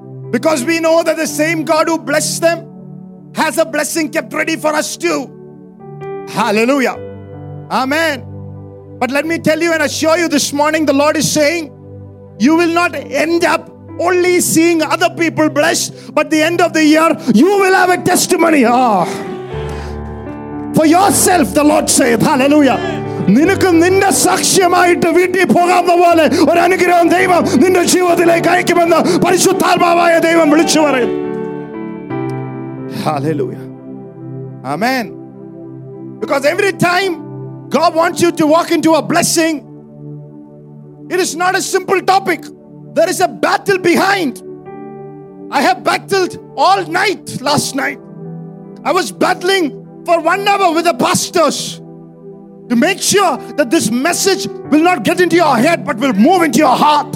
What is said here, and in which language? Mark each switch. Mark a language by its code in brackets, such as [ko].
[en] Because we know that the same God who blessed them has a blessing kept ready for us too. Hallelujah. Amen. But let me tell you and assure you this morning, the Lord is saying, you will not end up only seeing other people blessed, but the end of the year, you will have a testimony. Oh. For yourself, the Lord saith, hallelujah. [ml] നിനക്ക് നിന്റെ സാക്ഷ്യമായിട്ട് വീട്ടിൽ പോകാവുന്ന പോലെ ഒരു അനുഗ്രഹം ദൈവം നിന്റെ ജീവിതത്തിലേക്ക് അയക്കുമെന്ന് പരിശുദ്ധാത്മാവായ ദൈവം വിളിച്ചു പറയുന്നു. [en] Hallelujah. Amen. Because every time God wants you to walk into a blessing, it is not a simple topic. There is a battle behind. I have battled all night last night. I was battling for 1 hour with the pastors to make sure that this message will not get into your head but will move into your heart.